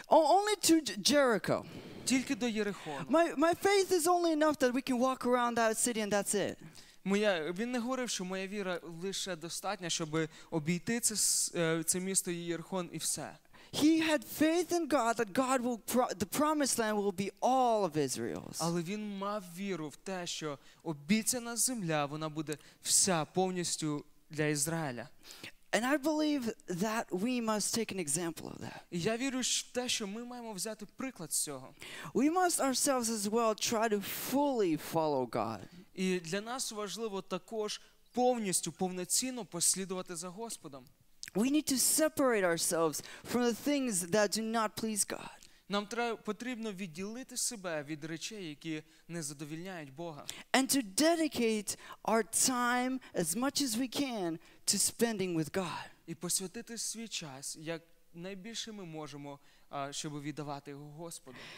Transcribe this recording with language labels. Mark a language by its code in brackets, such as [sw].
[en] Only to Jericho. [uk] Тільки до Єрихону. [en] My faith is only enough that we can walk around that city and that's it. [uk] Він не говорив, що моя віра лише достатня, щоб обійти це місто Єрихон і все. [en] He had faith in God that God will the promised land will be all of Israel's. [uk] Але він мав віру в те, що обіцяна земля, вона буде вся повністю для Ізраїля. [en] And I believe that we must take an example of that. [uk] Я вірю в те, що ми маємо взяти приклад з цього. [en] We must ourselves as well try to fully follow God. [uk] І для нас важливо також повністю, повноцінно послідувати за Господом. [en] We need to separate ourselves from the things that do not please God. [uk] Нам потрібно відділити себе від речей, які не задовільняють Бога. [en] And to dedicate our time as much as we can to spending with God. [uk] І посвятити свій час, як найбільше ми можемо, щоб віддавати його Господу.